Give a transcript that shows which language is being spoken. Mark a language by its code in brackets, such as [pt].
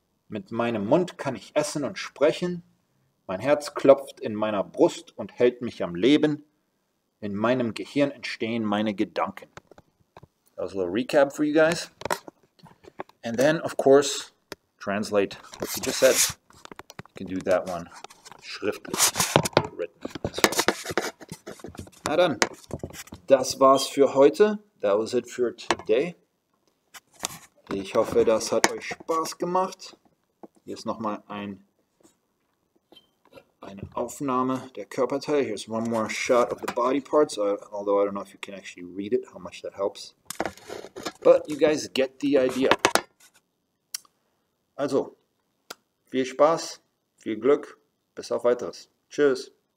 [de] Mit meinem Mund kann ich essen und sprechen. Mein Herz klopft in meiner Brust und hält mich am Leben. In meinem Gehirn entstehen meine Gedanken. [en] That was a little recap for you guys. And then, of course, translate what you just said. You can do that one schriftlich, written. [de] Na dann, das war's für heute. [en] That was it for today. [de] Ich hoffe, das hat euch Spaß gemacht. Hier ist nochmal eine Aufnahme der Körperteile. [en] Here's one more shot of the body parts, although I don't know if you can actually read it, how much that helps. But you guys get the idea. [de] Also, viel Spaß, viel Glück, bis auf Weiteres. Tschüss.